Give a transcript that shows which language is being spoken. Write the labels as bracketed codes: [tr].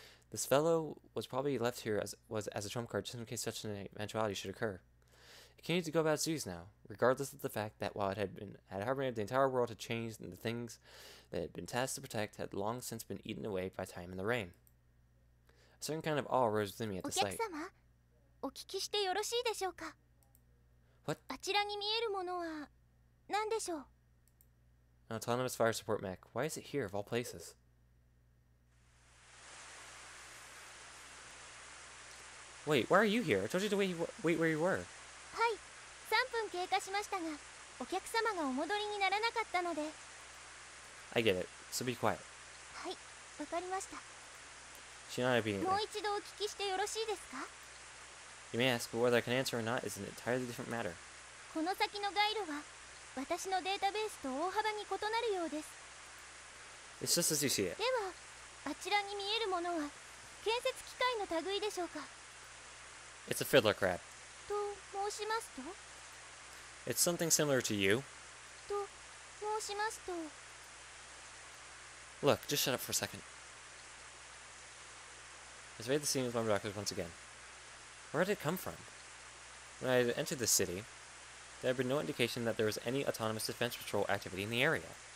[en] This fellow was probably left here as a trump card just in case such an eventuality should occur. It continued to go about its duties now, regardless of the fact that while it had harbored the entire world had changed and the things that it had been tasked to protect had long since been eaten away by time and the rain. A certain kind of awe rose within me at the sight. [ja] お聞きしてよろしいでしょうか。 [en] What? [ja] あちらに見えるものは何でしょう。 [en] An autonomous fire support mech. Why is it here of all places? Wait, why are you here? I told you to wait where you were. [ja] はい、3分経過しましたが、お客様がお戻りにならなかったので。 [en] I get it. So be quiet. [ja] はい、わかりました。 [en] She not being. [ja] もう一度お聞きしてよろしいですか。 [en] You may ask, but whether I can answer or not is an entirely different matter. [ja] この先のガイドは私のデータベースと大幅に異なるようです。 [en] It's just as you see it. [ja] では、あちらに見えるものは建設機械の類でしょうか。 [en] It's a fiddler crab. [ja] と申しますと。 [en] It's something similar to you. [ja] と申しますと。 [en] Look, just shut up for a second. I surveyed the scene with my doctors once again. Where did it come from? When I had entered the city, there had been no indication that there was any autonomous defense patrol activity in the area.